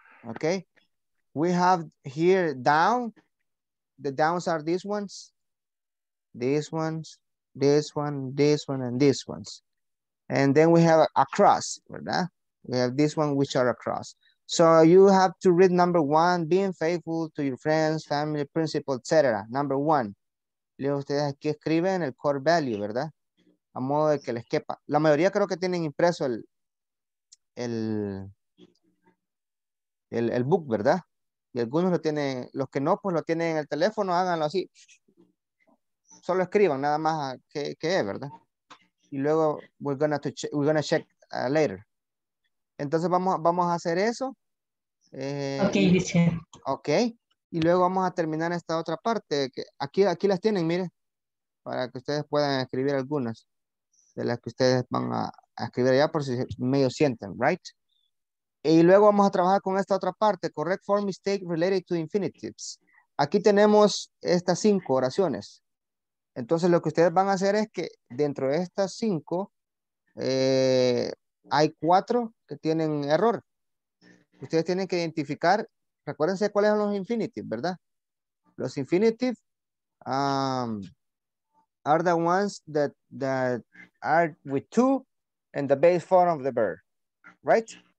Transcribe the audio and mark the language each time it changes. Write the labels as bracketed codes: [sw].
[en] Okay, we have here down. The downs are these ones, these ones, this one, this one, and these ones. And then we have across, right? We have this one, which are across. So you have to read number one, being faithful to your friends, family, principal, etc. Number one. [es] Leo ustedes aquí escriben el core value, ¿verdad? A modo de que les quepa. La mayoría creo que tienen impreso el book, ¿verdad? Y algunos lo tienen, los que no, pues lo tienen en el teléfono, háganlo así. Solo escriban, nada más qué es, ¿verdad? Y luego [en] we're gonna check later. [es] Entonces vamos a hacer eso. Ok, y luego vamos a terminar esta otra parte. Que aquí las tienen, miren, para que ustedes puedan escribir algunas de las que ustedes van a escribir ya por si medio sienten, [en] right? [es] Y luego vamos a trabajar con esta otra parte. [en] Correct form mistake related to infinitives. [es] Aquí tenemos estas 5 oraciones. Entonces lo que ustedes van a hacer es que dentro de estas 5 hay 4 que tienen error. Ustedes tienen que identificar, recuérdense cuáles son los infinitives, ¿verdad? [en] Los infinitives are the ones that are with 2 in the base form of the verb, right?